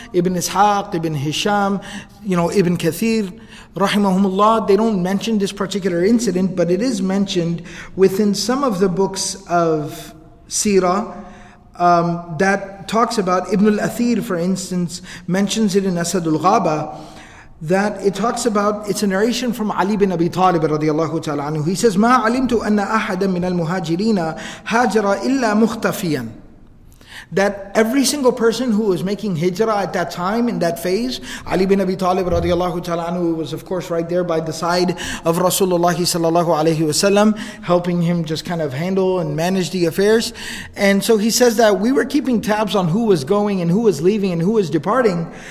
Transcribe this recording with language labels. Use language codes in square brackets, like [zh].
[en] Ibn Ishaq, Ibn Hisham, you know, Ibn Kathir, rahimahumullah, they don't mention this particular incident, but it is mentioned within some of the books of Seerah. That talks about Ibn al-Athir, for instance, mentions it in Asad al-Ghaba, that it talks about, it's a narration from Ali bin Abi Talib radiallahu ta'ala anhu. He says, [ar] مَا عَلِمْتُ أَنَّ أَحَدًا مِنَ الْمُهَاجِرِينَ هَاجَرَ إِلَّا مُخْتَفِيًا. [en] That every single person who was making hijrah at that time, in that phase, Ali bin Abi Talib radiallahu ta'ala anhu was of course right there by the side of Rasulullah sallallahu alayhi wasallam, helping him just kind of handle and manage the affairs. And so he says that we were keeping tabs on who was going and who was leaving and who was departing.